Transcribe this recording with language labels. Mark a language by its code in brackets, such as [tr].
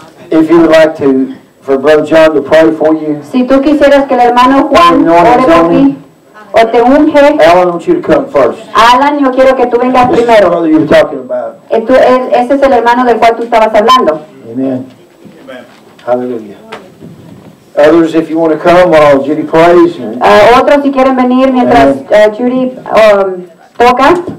[en] If you would like to, for Brother John to pray for you. [es] Si tú quisieras que el hermano Juan ore por ti, o te unge. [en] Alan, I want you to come first. [es] Alan, yo quiero que tú vengas [en] this [es] primero. [en] This is the brother you're talking about. [es] Ese es el hermano del cual tú estabas hablando. [en] Amen. Hallelujah. Others, if you want to come while Judy plays. [es] Otros, si quieren venir mientras Judy toca.